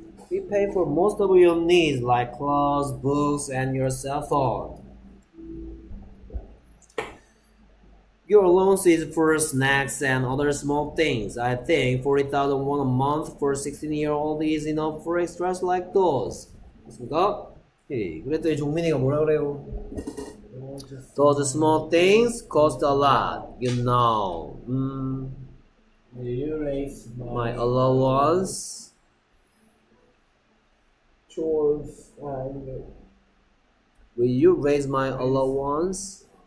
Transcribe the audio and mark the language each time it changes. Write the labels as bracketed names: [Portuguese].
[English] We pay for most of your needs like clothes, books, and your cell phone. Your allowance is for snacks and other small things. I think 40,000 won a month for a 16-year-old is enough for extras like those. [Korean] 맞습니까? 그랬더니 종민이가 뭐라 그래요? [English] Those small things cost a lot, you know. You raise my allowance. Chores and... Will you raise my allowance?